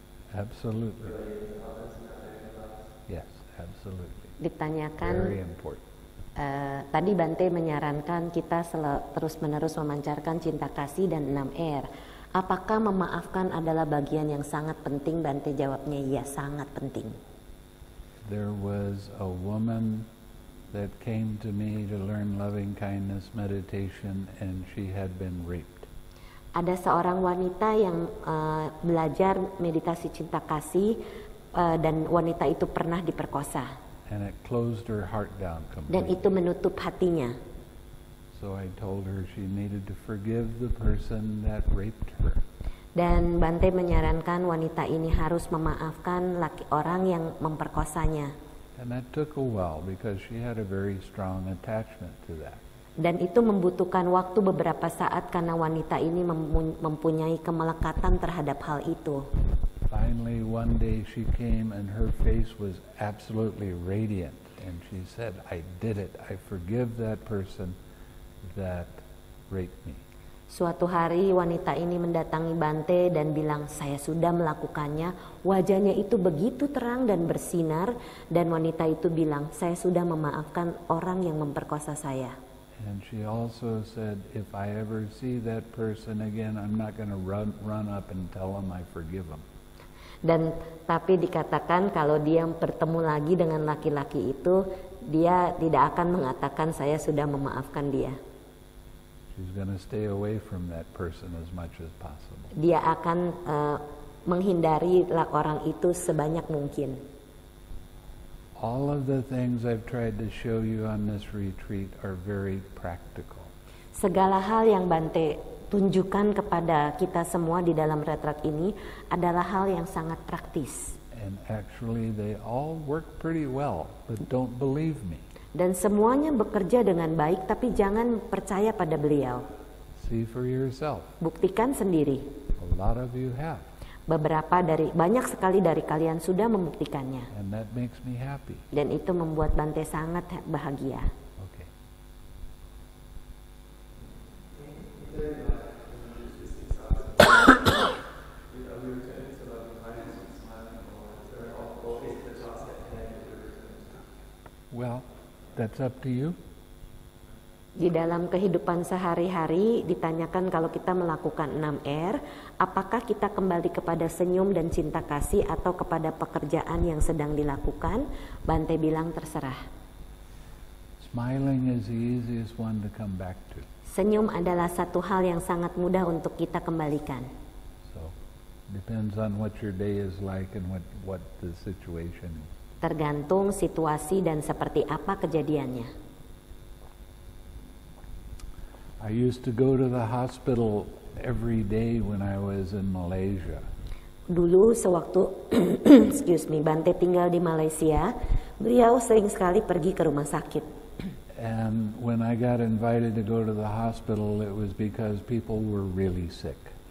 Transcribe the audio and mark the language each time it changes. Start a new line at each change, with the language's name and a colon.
English: Absolutely. Yes, absolutely.
Indonesian: Ditanyakan.
English: Very important.
Indonesian: Tadi Bante menyarankan kita terus-menerus memancarkan cinta kasih dan 6R. Apakah memaafkan adalah bagian yang sangat penting? Bante jawabnya, iya, sangat penting.
English: There was a woman that came to me to learn loving kindness meditation, and she had been raped.
Indonesian: Ada seorang wanita yang belajar meditasi cinta kasih dan wanita itu pernah diperkosa.
English: And it closed her heart down completely.
Indonesian: Dan itu menutup hatinya.
English: So I told her she needed to forgive the person that raped her.
Indonesian: Dan Bante menyarankan wanita ini harus memaafkan laki orang yang memperkosanya.
English: And that took a while because she had a very strong attachment to that.
Indonesian: Dan itu membutuhkan waktu beberapa saat karena wanita ini mempunyai kemelekatan terhadap hal itu.
English: Finally, one day she came and her face was absolutely radiant, and she said, "I did it. I forgive that person that raped me."
Indonesian: Suatu hari wanita ini mendatangi Bante dan bilang, "Saya sudah melakukannya." Wajahnya itu begitu terang dan bersinar, dan wanita itu bilang, "Saya sudah memaafkan orang yang memperkosa saya."
English: And she also said, if I ever see that person again, I'm not going to run up and tell him I forgive him.
Indonesian: Dan tapi dikatakan kalau dia bertemu lagi dengan laki-laki itu, dia tidak akan mengatakan saya sudah memaafkan dia.
English: She's going to stay away from that person as much as possible.
Indonesian: Dia akan menghindarilah orang itu sebanyak mungkin.
English: All of the things I've tried to show you on this retreat are very practical.
Indonesian: Segala hal yang Bante tunjukkan kepada kita semua di dalam retreat ini adalah hal yang sangat praktis.
English: And actually they all work pretty well, but don't believe me.
Indonesian: Dan semuanya bekerja dengan baik, tapi jangan percaya pada beliau.
English: See for yourself.
Indonesian: Buktikan sendiri.
English: A lot of you have.
Indonesian: Beberapa dari, banyak sekali dari kalian sudah membuktikannya.
English: And that makes me happy.
Indonesian: Dan itu membuat Bante sangat bahagia.
English: Okay. Well, that's up to you.
Indonesian: Di dalam kehidupan sehari-hari ditanyakan kalau kita melakukan 6R, apakah kita kembali kepada senyum dan cinta kasih atau kepada pekerjaan yang sedang dilakukan? Bante bilang terserah.
English: Smiling is the easiest one to come back to.
Indonesian: Senyum adalah satu hal yang sangat mudah untuk kita kembalikan.
English: So, depends on what your day is like and what the situation is.
Indonesian: Tergantung situasi dan seperti apa kejadiannya.
English: I used to go to the hospital every day when I was in Malaysia.
Indonesian: Dulu sewaktu
English: excuse me,
Indonesian: Bante tinggal di Malaysia, beliau sering sekali pergi ke rumah sakit.
English: And when I got invited to go to the hospital, it was because people were really sick.